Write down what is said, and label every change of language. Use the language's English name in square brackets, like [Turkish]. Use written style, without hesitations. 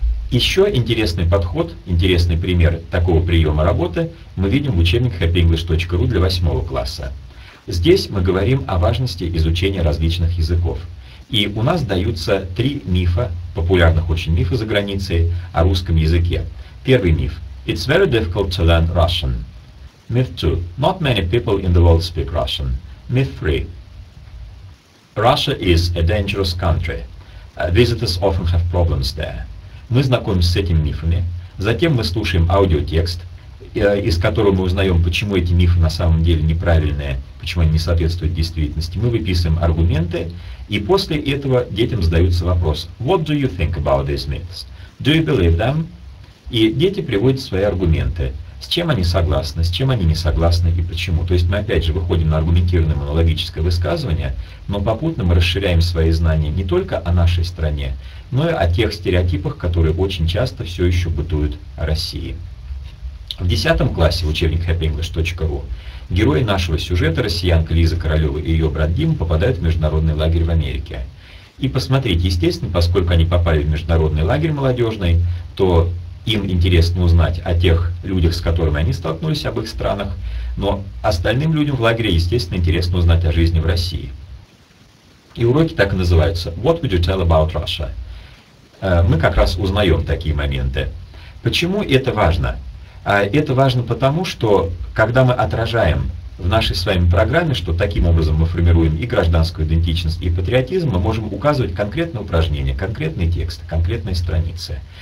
[Russian] Еще интересный подход, интересный пример такого приема работы мы видим в учебнике happyenglish.ru для 8 класса. Здесь мы говорим о важности изучения различных языков. И у нас даются три мифа, популярных очень мифа за границей, о русском языке. Первый миф. [English] It's very difficult to learn Russian. Myth 2. Not many people in the world speak Russian. Myth 3. Russia is a dangerous country. Visitors often have problems there. [Russian] Мы знакомимся с этими мифами. Затем мы слушаем аудиотекст, из которого мы узнаем, почему эти мифы на самом деле неправильные, почему они не соответствуют действительности. Мы выписываем аргументы, и после этого детям задается вопрос. [English] What do you think about these myths? Do you believe them? [Russian] И дети приводят свои аргументы. С чем они согласны, с чем они не согласны и почему. То есть мы опять же выходим на аргументированное монологическое высказывание, но попутно мы расширяем свои знания не только о нашей стране, но и о тех стереотипах, которые очень часто все еще бытуют о России. В 10 классе учебник happyenglish.ru герои нашего сюжета, россиянка Лиза Королева и ее брат Дима, попадают в международный лагерь в Америке. И посмотрите, естественно, поскольку они попали в международный лагерь молодежный, то им интересно узнать о тех людях, с которыми они столкнулись, об их странах, но остальным людям в лагере, естественно, интересно узнать о жизни в России. И уроки так и называются [English] «What would you tell about Russia?» [Russian] Мы как раз узнаем такие моменты. Почему это важно? Это важно потому, что когда мы отражаем в нашей с вами программе, что таким образом мы формируем и гражданскую идентичность, и патриотизм, мы можем указывать конкретное упражнение, конкретный текст, конкретные страницы.